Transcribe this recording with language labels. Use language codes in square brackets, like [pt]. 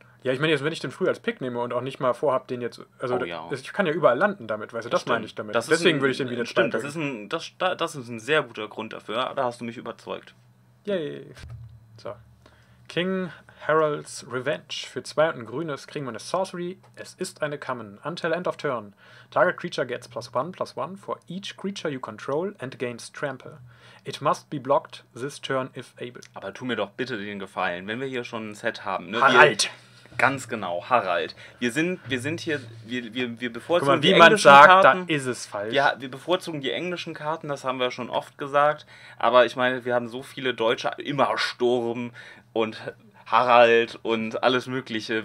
[de] Ja, ich meine jetzt, wenn ich den früh als Pick nehme und auch nicht mal vorhab, den jetzt, also oh, ja. Ich kann ja überall landen damit, weißt du, das meine ich damit. Deswegen würde ich den wieder stimmen. Stimmt, das ist ein sehr guter Grund dafür, da hast du mich überzeugt. Yay. So. King Harald's Revenge. Für 2 und ein grünes kriegen wir eine Sorcery. Es ist eine Common. [en] Until end of turn. Target creature gets +1/+1 for each creature you control and gains trample. It must be blocked this turn if able. [de] Aber tu mir doch bitte den Gefallen, wenn wir hier schon ein Set haben. Ne? Harald! Ganz genau, Harald. Wir sind hier, wir bevorzugen guck mal, die englischen Karten. Wie man sagt, da ist es falsch. Ja, wir bevorzugen die englischen Karten, das haben wir schon oft gesagt. Aber ich meine, wir haben so viele Deutsche, immer Sturm und Harald und alles Mögliche.